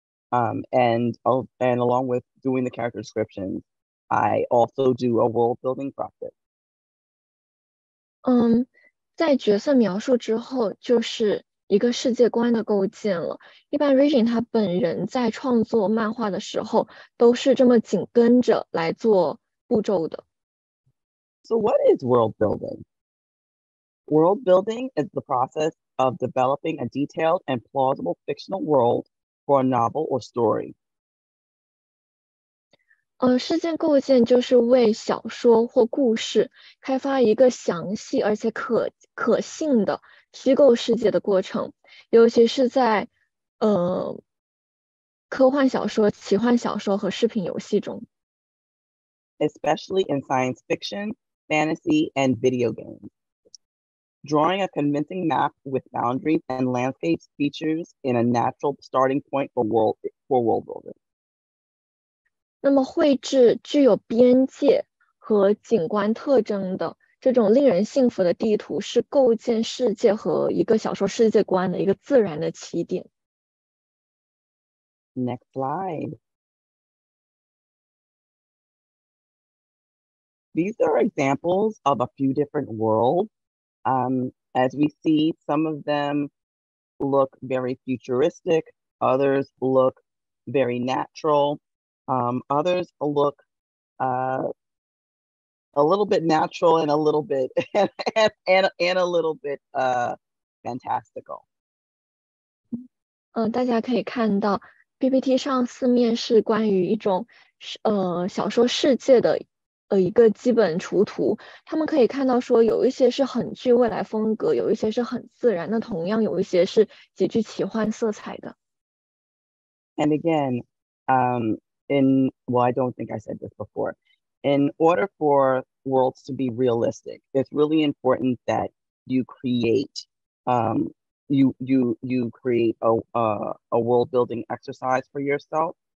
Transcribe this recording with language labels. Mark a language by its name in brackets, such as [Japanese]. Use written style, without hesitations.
[English] And along with doing the character descriptions, I also do a world building practice. [Chinese] 在角色描述之后就是一个世界观的构建了。一般 REGINE 他本人在创作漫画的时候都是这么紧跟着来做步骤的。 [English] So what is world building? World building is the process of developing a detailed and plausible fictional world for a novel or story. [Chinese] 世界构建就是为小说或故事开发一个详细而且可信的虚构世界的过程，尤其是在科幻小说、奇幻小说和视频游戏中。 [English] Especially in science fiction, fantasy, and video games. Drawing a convincing map with boundaries and landscapes features in a natural starting point for world building. [Chinese] 那么绘制具有边界和景观特征的这种令人信服的地图是构建世界和一个小说世界观的一个自然的起点。 [English] Next slide. These are examples of a few different worlds. As we see, some of them look very futuristic, others look very natural, others look a little bit natural and a little bit fantastical. [Chinese] 大家可以看到 PPT 上四面是关于一种小说世界的一个基本雏图。他们可以看到说有一些是很具未来风格，有一些是很自然的，同样有一些是极具奇幻色彩的。 [English] And again, I don't think I said this before. In order for worlds to be realistic, it's really important that you create you create a world building exercise for yourself.